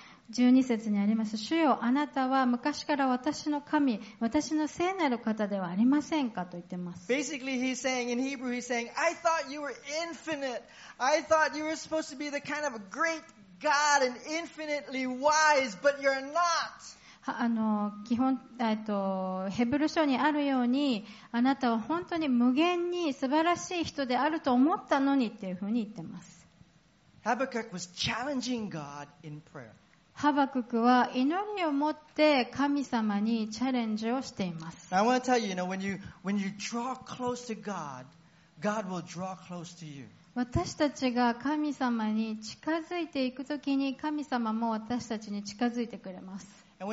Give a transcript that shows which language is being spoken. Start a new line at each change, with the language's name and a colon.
Japanese: 12節にあります、主よあなたは昔から私の神、私の聖なる方ではありませんかと言ってます。
English: Basically he's saying in Hebrew, he's saying I thought you were infinite, I thought you were supposed to be the kind of a great God and infinitely wise, but you're not。
Japanese: 基本、ヘブル書にあるように、あなたは本当に無限に素晴らしい人であると思ったのにっていうふうに言ってます。
English: Habakkuk was challenging God in prayer。
Japanese: ハバククは祈りを持って神様にチャレンジをしています。
English: I want to tell you, you know, when you draw close to God, God will draw close to you。
Japanese: 私たちが神様に近づいていくときに、神様も私たちに近づいてくれます。